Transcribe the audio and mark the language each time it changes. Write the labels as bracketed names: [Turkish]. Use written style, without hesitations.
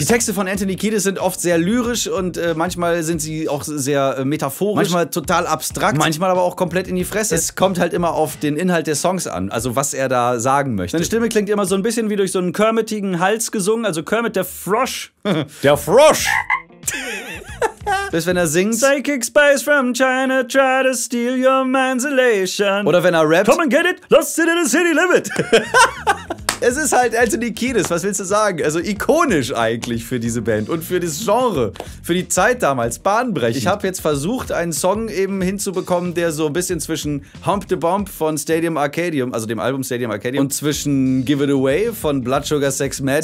[German] Die Texte von Anthony Kiedis sind oft sehr lyrisch und manchmal sind sie auch sehr metaphorisch. Manchmal total abstrakt. Manchmal aber auch komplett in die Fresse. Es kommt halt immer auf den Inhalt der Songs an, also was er da sagen möchte. Seine Stimme klingt immer so ein bisschen wie durch so einen kermitigen Hals gesungen. Also Kermit der Frosch. Der Frosch! Bis wenn er singt. [English] Psychic spies from China try to steal your man's elation. [German] Oder wenn er rappt. [English] Come and get it, lost it in the city limit. [German] Es ist halt Anthony Kiedis, was willst du sagen? Also ikonisch eigentlich für diese Band und für das Genre, für die Zeit damals, bahnbrechend. Ich habe jetzt versucht, einen Song eben hinzubekommen, der so ein bisschen zwischen Hump the Bump von Stadium Arcadium, also dem Album Stadium Arcadium, und zwischen Give It Away von Blood Sugar Sex Magik.